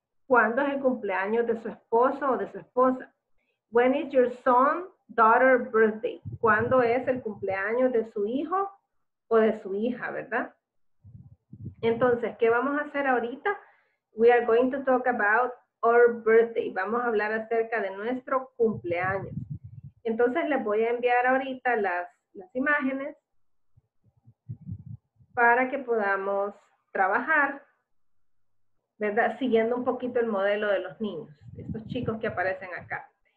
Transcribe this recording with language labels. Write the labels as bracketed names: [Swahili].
[Spanish] ¿Cuándo es el cumpleaños de su esposo o de su esposa? [English] When is your son, daughter, birthday? [Spanish] ¿Cuándo es el cumpleaños de su hijo o de su hija, verdad? Entonces, ¿qué vamos a hacer ahorita? [English] We are going to talk about our birthday. [Spanish] Vamos a hablar acerca de nuestro cumpleaños. Entonces, les voy a enviar ahorita las imágenes para que podamos trabajar, ¿verdad? Siguiendo un poquito el modelo de los niños, estos chicos que aparecen acá.